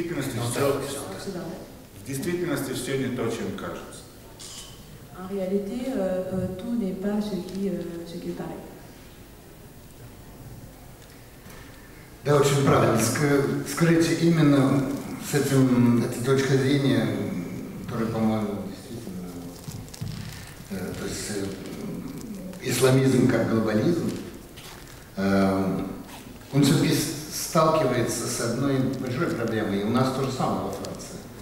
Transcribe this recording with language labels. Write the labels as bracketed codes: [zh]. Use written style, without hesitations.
[ru] В действительности все не то, чем кажется. [fr] En réalité, tout n'est pas ce qui paraît. [ru] Да, очень правильно. Скажите, именно с этой точки зрения, которая, по-моему, действительно, то есть исламизм как глобализм, он все-таки сталкивается с одной большой проблемой, и у нас то же самое во Франции.